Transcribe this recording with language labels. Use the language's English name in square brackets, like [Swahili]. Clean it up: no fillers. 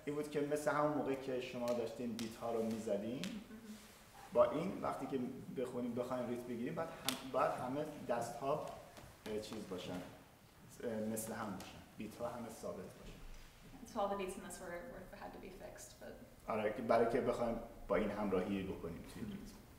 [Persian] که مثل همون موقعی که شما داشتین بیت ها رو میزدین با این وقتی که بخونیم بخواییم ریتم بگیریم بعد همه دست ها چیز باشن مثل هم باشن بیت ها همه ثابت باشن [English] So all the beats in this were had to be fixed but [Persian] آره برای که بخواییم با این همراهی بکنیم توی ریتم